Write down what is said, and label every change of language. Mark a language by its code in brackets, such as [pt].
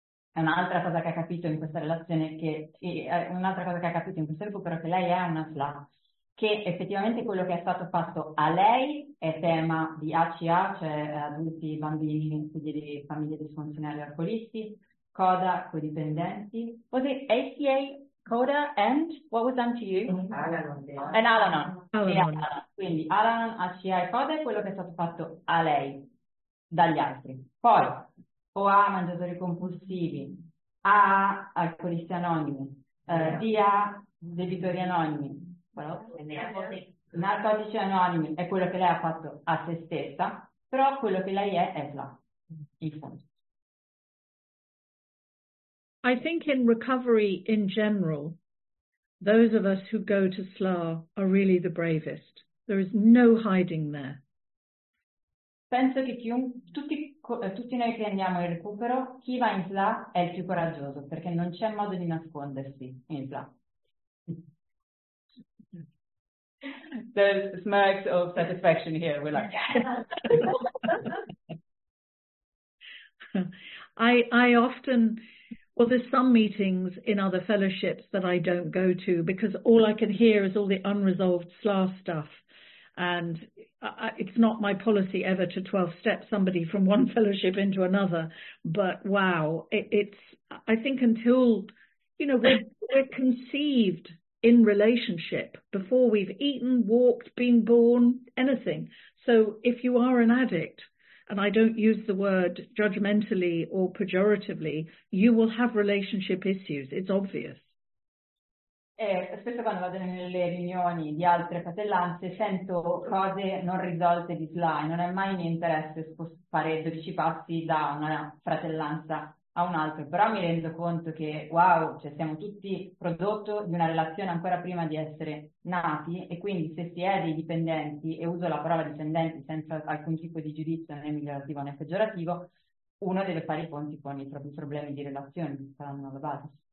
[it] È un'altra cosa che ha capito in questa relazione, però che lei è una SLA, che effettivamente quello che è stato fatto a lei è tema di ACA, cioè adulti, bambini, figli di famiglie disfunzionali, alcolisti, CODA, codipendenti. [en] Was it ACA, CODA, and what was done to you? Al-Anon. [it] Quindi Al-Anon, ACA e CODA è quello che è stato fatto a lei dagli altri. Poi, o ha mangiatori compulsivi, ha alcolisti anonimi, DA, debitori anonimi, narcotici anonimi, è quello che lei ha fatto a se stessa, però quello che lei è SLA, in fondo. [en] I think in recovery in general, Those of us who go to SLA are really the bravest. There is no hiding there. [it] Penso che tutti noi che andiamo in recupero, chi va in SLA è il più coraggioso, perché non c'è modo di nascondersi in SLA. [en] There's smirks of satisfaction here. We're like, I often, well, there's some meetings in other fellowships that I don't go to because all I can hear is all the unresolved SLA stuff. And it's not my policy ever to 12-step somebody from one fellowship into another. But wow, I think until, you know, we're conceived in relationship before we've eaten, walked, been born, anything. So if you are an addict, and I don't use the word judgmentally or pejoratively, you will have relationship issues. It's obvious. [it] Spesso quando vado nelle riunioni di altre fratellanze sento cose non risolte di SLA, non è mai mio interesse fare 12 passi da una fratellanza a un'altra, però mi rendo conto che wow, cioè siamo tutti prodotto di una relazione ancora prima di essere nati, e quindi se si è dei dipendenti, e uso la parola dipendenti senza alcun tipo di giudizio né migliorativo né peggiorativo, uno deve fare i conti con i propri problemi di relazione che stanno alla base.